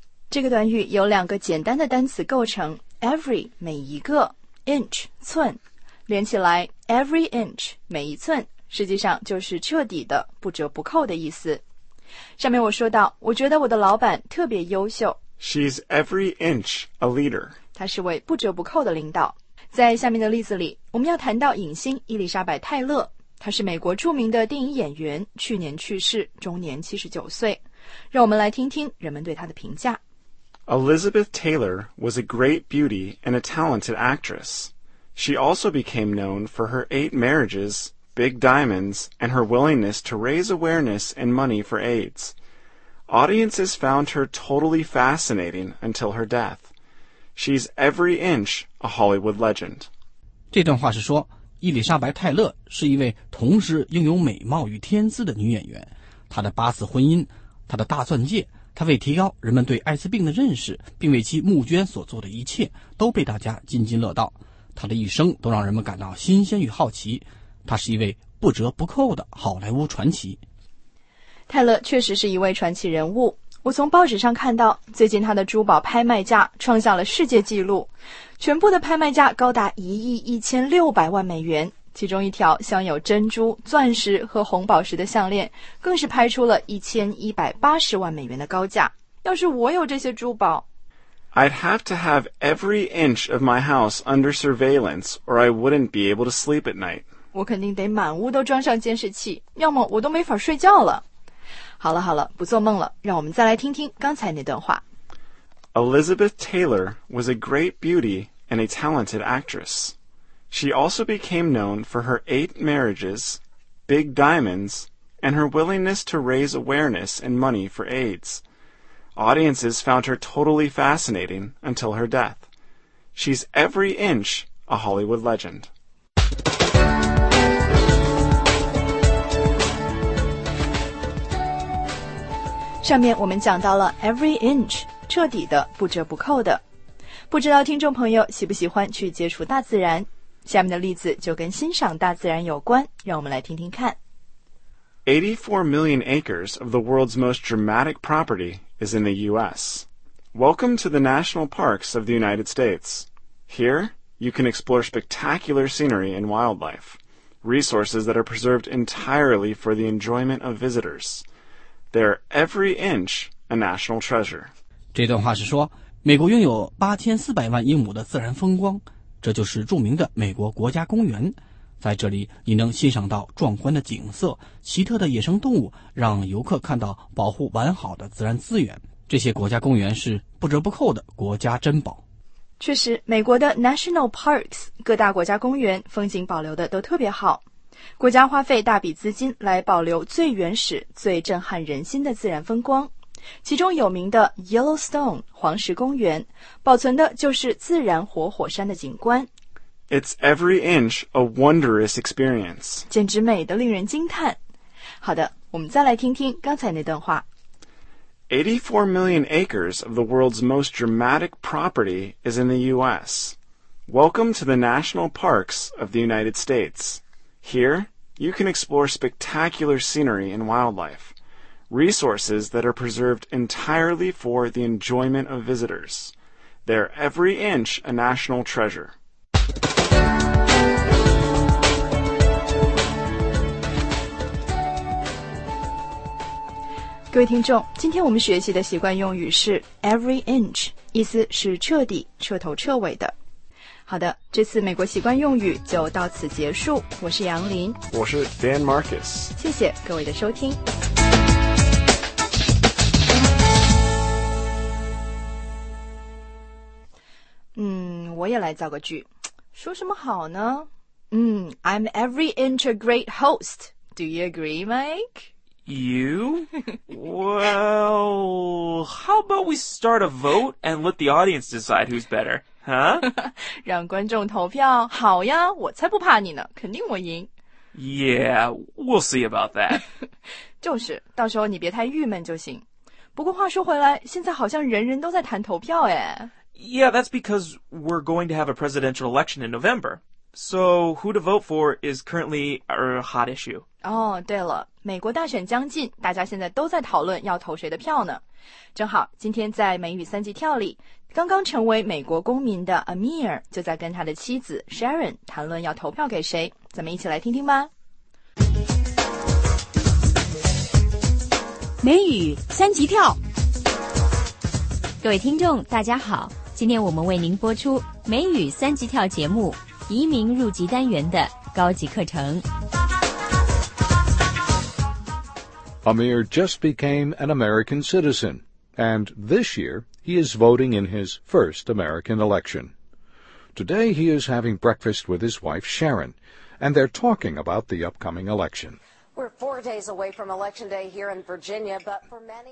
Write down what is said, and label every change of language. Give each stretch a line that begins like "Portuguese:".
Chinese: 这个短语由两个简单的单词构成。Every, 每一个 inch, 寸连起来 every inch, 每一寸实际上就是彻底的不折不扣的意思。上面我说到我觉得我的老板特别优秀。
English: She's every inch a leader.
Chinese: 她是位不折不扣的领导。在下面的例子里我们要谈到影星伊丽莎白泰勒。她是美国著名的电影演员去年去世终年79岁。让我们来听听人们对她的评价。
English: Elizabeth Taylor was a great beauty and a talented actress. She also became known for her 8 marriages, big diamonds, and her willingness to raise awareness and money for AIDS. Audiences found her totally fascinating until her death. She's every inch a Hollywood legend.
Chinese: 这段话是说，伊丽莎白·泰勒是一位同时拥有美貌与天资的女演员。她的八次婚姻，她的大钻戒，他为提高人们对艾滋病的认识，并为其募捐所做的一切，都被大家津津乐道。他的一生都让人们感到新鲜与好奇。他是一位不折不扣的好莱坞传奇。泰勒确实是一位传奇人物。我从报纸上看到，最近他的珠宝拍卖价创下了世界纪录，全部的拍卖价高达1亿1600万美元。其中一条镶有珍珠、钻石和红宝石的项链，更是拍出了1180万美元的高价。要是我有这些珠宝
English: ，I'd have to have every inch of my house under surveillance, or I wouldn't be able to sleep at night.
Chinese: 我肯定得满屋都装上监视器，要么我都没法睡觉了。好了好了，不做梦了，让我们再来听听刚才那段话。 Elizabeth Taylor was a great beauty and a talented actress. She also became known for her 8 marriages, big diamonds, and her willingness to raise awareness and money for AIDS. Audiences found her totally fascinating until her death. She's every inch a Hollywood legend. Every inch, 彻底的，不折不扣的。不知道听众朋友喜不喜欢去接触大自然。下面的例子就跟欣赏大自然有关，让我们来听听看。
English: 84 million acres of the world's most dramatic property is in the U.S. Welcome to the national parks of the United States. Here, you can explore spectacular scenery and wildlife, resources that are preserved entirely for the enjoyment of visitors. They're every inch a national treasure.
Chinese: 这段话是说，美国拥有8400万英亩的自然风光。这就是著名的美国国家公园，在这里你能欣赏到壮观的景色，奇特的野生动物，让游客看到保护完好的自然资源。这些国家公园是不折不扣的国家珍宝。确实，美国的 National Parks 各大国家公园风景保留的都特别好，国家花费大笔资金来保留最原始、最震撼人心的自然风光。其中有名的 Yellowstone 黄石公园保存的就是自然活火山的景观。
English: It's every inch a wondrous experience.
Chinese: 简直美得令人惊叹。好的，我们再来听听刚才那段话。
English: 84 million acres of the world's most dramatic property is in the U.S. Welcome to the national parks of the United States. Here, you can explore spectacular scenery and wildlife. Resources that are preserved entirely for the enjoyment of visitors. They're every inch a national treasure.
Chinese: 各位听众，今天我们学习的习惯用语是 every inch, 意思是彻底、彻头彻尾的。好的，这次美国习惯用语就到此结束。我是杨林，我是 Dan Marcus。谢谢各位的收听。我也来造个句，说什么好呢？
English: I'm every inch a great host. Do you agree, Mike? You? Well, how about we start a vote and let the audience decide who's better, huh?
Chinese: 让观众投票，好呀，我才不怕你呢，肯定我赢。
English: Yeah, we'll see about that.
Chinese: 就是，到时候你别太郁闷就行。不过话说回来，现在好像人人都在谈投票耶。
English: Yeah, that's because we're going to have a presidential election in November. So, who to vote for is currently our hot issue.
Chinese: Oh, 对了，美国大选将近，大家现在都在讨论要投谁的票呢。正好，今天在美语三级跳里，刚刚成为美国公民的 Amir 就在跟他的妻子 Sharon 谈论要投票给谁。咱们一起来听听吧。美语三级跳。各位听众，大家好。今天我们为您播出美语三级跳节目移民入籍单元的高级课程。
English: Amir just became an American citizen, and this year he is voting in his first American election. Today he is having breakfast with his wife Sharon, and they're talking about the upcoming election. We're 4 days away from Election Day here in Virginia, but for many...